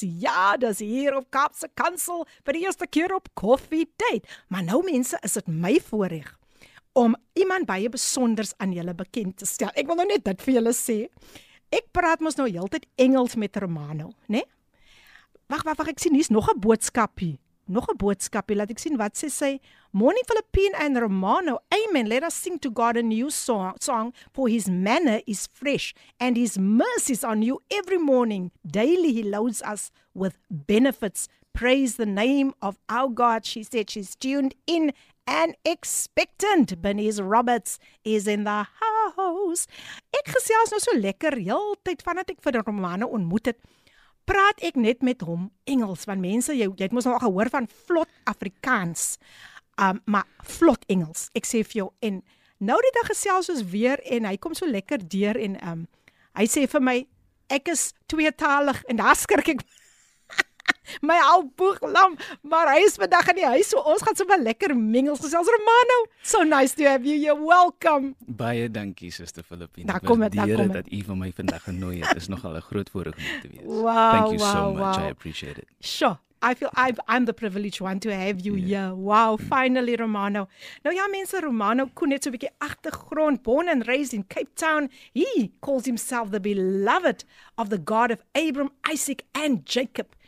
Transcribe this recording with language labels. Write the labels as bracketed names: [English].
[Afrikaans] Ja, dis hier op Kaapse Kansel vir die eerste keer op Coffee Date. Maar nou, mense, is dit my voorreg om iemand baie besonders aan julle bekend te stel. Ek wil nou net dit vir julle sê. Ek praat mos nou heeltyd Engels met Romano, né? Wag, ek sien hier's nog 'n boodskapie. Laat ek sien wat sê sy. [English] Morning Philippine and Romano. [Afrikaans] Amen. [English] Let us sing to God a new song for his manner is fresh and his mercies are new every morning. Daily he loads us with benefits. Praise the name of our God. She said she's tuned in and expectant. Bernice Roberts is in the house. [Afrikaans] Ek gesels nou so lekker heeltyd vandat ek vir Romano ontmoet het. Praat ek net met hom Engels, want mense, jy het mos nou al gehoor van vlot Afrikaans, maar vlot Engels, ek sê vir jou, en nou die dag gesels ons weer, en hy kom so lekker deur, en hy sê vir my, ek is tweetalig, en daar skrik ek my al boeglam, maar hy is vandag in die huis, so ons gaan so wel lekker mingels gesels. [English] Romano, so nice to have you, you're welcome. [Afrikaans] Baie dankie, Suster Philippine. Daar kom het, daar kom het. Dat u van my vandag genooi het, is nogal een groot voorreg om te wees. [English] Wow, thank you so much. I appreciate it. Sure, I feel I'm the privileged one to have you here. Wow, finally Romano. [Afrikaans] Nou ja, mense, Romano kon net so'n bietjie achtergrond, [English] born and raised in Cape Town. He calls himself the beloved of the God of Abraham, Isaac and Jacob.